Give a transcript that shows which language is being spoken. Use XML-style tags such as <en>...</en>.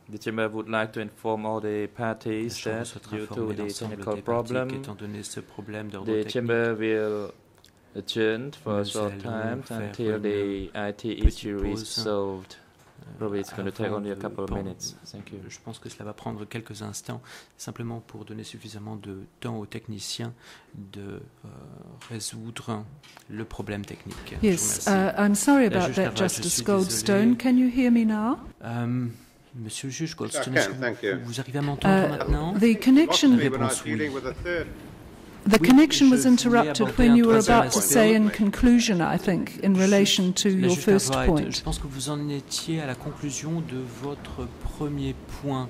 <en>the chamber would like to inform all the parties that due to the technical problem, the chamber will adjourn for a short time until the IT issue is solved. Probably it's going to take only a couple of minutes. Thank you.</en> <fr>Je pense que cela va prendre quelques instants, simplement pour donner suffisamment de temps aux techniciens de résoudre le problème technique.</fr> <en>Yes, I'm sorry about that, Justice Goldstone. Can you hear me now?</en> <fr>Monsieur le juge Goldstone, vous arrivez à m'entendre maintenant?</fr> <en>The connection.</en> <fr>Réponse oui.</fr> <en>The connection was interrupted when you were about to say in conclusion, I think, in relation to your first point.</en> <fr>Je pense que vous en étiez à la conclusion de votre premier point.</fr>